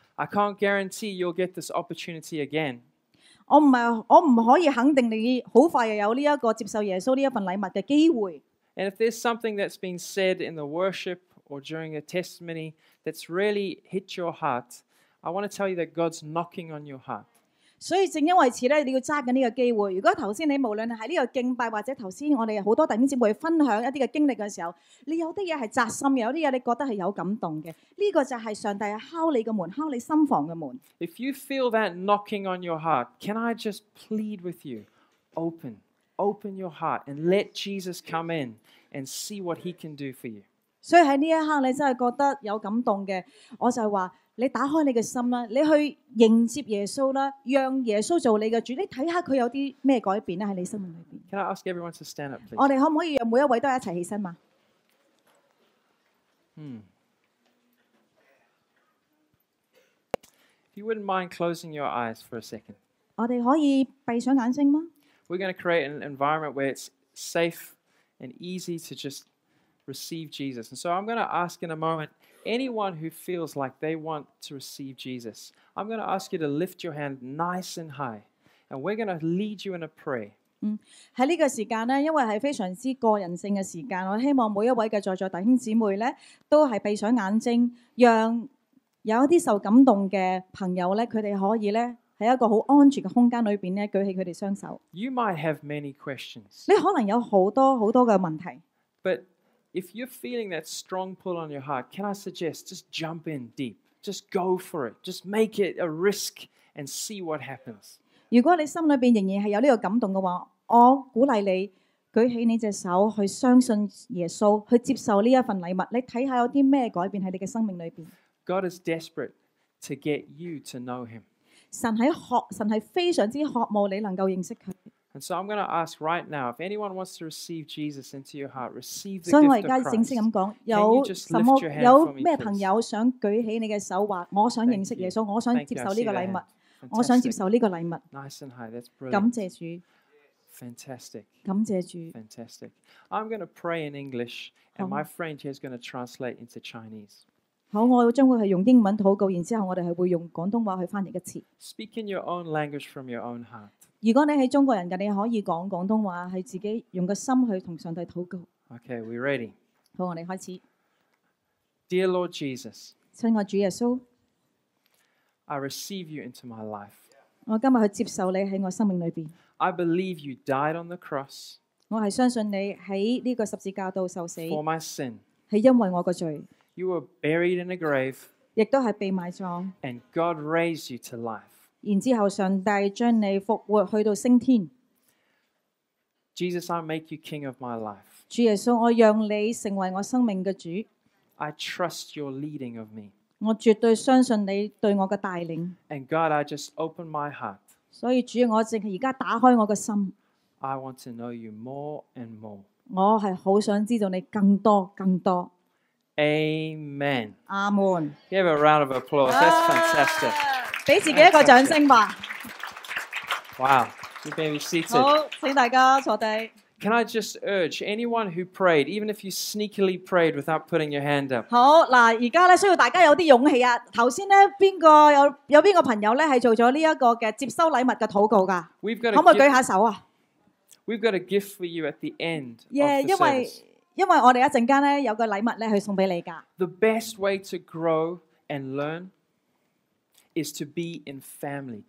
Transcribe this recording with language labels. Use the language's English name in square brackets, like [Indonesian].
[English] I can't guarantee you'll get this opportunity again. [Cantonese] 我唔可以肯定你好快又有呢一个接受耶稣呢一份礼物嘅机会。 [English] And if there's something that's been said in the worship or during a testimony that's really hit your heart, I want to tell you that God's knocking on your heart. [Cantonese] 所以正因为此咧，你要揸紧呢个机会。如果头先你无论喺呢个敬拜或者头先我哋好多弟兄姊妹分享一啲嘅经历嘅时候，你有啲嘢系扎心，有啲嘢你觉得系有感动嘅，呢、这个就系上帝敲你嘅门，敲你心房嘅门。 [English] If you feel that knocking on your heart, can I just plead with you? Open your heart and let Jesus come in and see what He can do for you. [Cantonese] 所以喺呢一刻你真系觉得有感动嘅，我就话。你打开你嘅心啦，你去迎接耶稣啦，让耶稣做你嘅主，你睇下佢有啲咩改变咧喺你生命里边。 [English] Can I ask everyone to stand up, please? [Cantonese] 我哋可唔可以让每一位都一齐起身嘛？ [English] If you wouldn't mind closing your eyes for a second. [Cantonese] 我哋可以闭上眼睛吗 [English] ？We're going to create an environment where it's safe and easy to just receive Jesus. And so I'm going to ask in a moment. Anyone who feels like they want to receive Jesus, I'm going to ask you to lift your hand nice and high, and we're going to lead you in a prayer. [Cantonese] 喺呢个时间咧，因为系非常之个人性嘅时间，我希望每一位嘅在座弟兄姊妹咧，都系闭上眼睛，让有一啲受感动嘅朋友咧，佢哋可以咧喺一个好安全嘅空间里边咧，举起佢哋双手。 [English] You might have many questions. [Cantonese] 你可能有好多好多嘅问题。 [English] But If you're feeling that strong pull on your heart, can I suggest just jump in deep? Just go for it. Just make it a risk and see what happens. [Cantonese] 如果你心里边仍然系有呢个感动嘅话，我鼓励你举起你只手去相信耶稣，去接受呢一份礼物。你睇下有啲咩改变喺你嘅生命里边。 [English] God is desperate to get you to know Him. [Cantonese] 神系非常之渴慕你能够认识佢。 [English] And so I'm going to ask right now, if anyone wants to receive Jesus into your heart, receive the gift of Christ. [Cantonese] 正式咁讲，有什么朋友想举起你嘅手，话我想认识耶稣，我想接受呢个礼物，我想接受呢个礼物。 [English] Nice and high, that's brilliant. [Cantonese] 感谢主。 [English] Fantastic. [Cantonese] 感谢主。 [English] Fantastic. I'm going to pray in English, and my friend here is going to translate into Chinese. [Cantonese] 好，我将会系用英文祷告，然之后我哋系会用广东话去翻译一次。 [English] Speak in your own language from your own heart. [Cantonese] 如果你是中国人的，你可以讲广东话，是自己用个心去同上帝祷告。 [English] Okay, we ready. [Cantonese] 好，我哋开始。 [English] Dear Lord Jesus, [Cantonese] 亲爱主耶稣 [English] ，I receive you into my life. [Cantonese] 我今日去接受你喺我生命里边。 [English] I believe you died on the cross. [Cantonese] 我系相信你喺呢个十字架度受死。 [English] For my sin. [Cantonese] 系因为我个罪。 [English] You were buried in a grave. [Cantonese] 亦都系被埋葬。 [English] And God raised you to life. [Cantonese] 然之后，上帝将你复活去到升天。 [English] Jesus, I make you king of my life. [Cantonese] 主耶稣，我让你成为我生命嘅主。 [English] I trust your leading of me. [Cantonese] 我绝对相信你对我嘅带领。 [English] And God, I just open my heart. [Cantonese] 所以主，我正而家打开我嘅心。 [English] I want to know you more and more. [Cantonese] 我係好想知道你更多更多。 [English] Amen. Amen. Give a round of applause. That's fantastic. [Cantonese] 俾自己一個掌聲吧。 [English] Wow, you may be seated. [Cantonese] 好，請大家坐低。 [English] Can I just urge anyone who prayed, even if you sneakily prayed without putting your hand up? [Cantonese] 好，嗱，而家咧需要大家有啲勇氣啊！頭先咧，邊個朋友咧係做咗呢一個嘅接收禮物嘅禱告㗎？可唔可以舉下手啊？ [English] We've got a gift for you at the end. [Cantonese] Yeah, 因為我哋一陣間咧有個禮物咧去送俾你㗎。 [English] The best way to grow and learn is to be in family.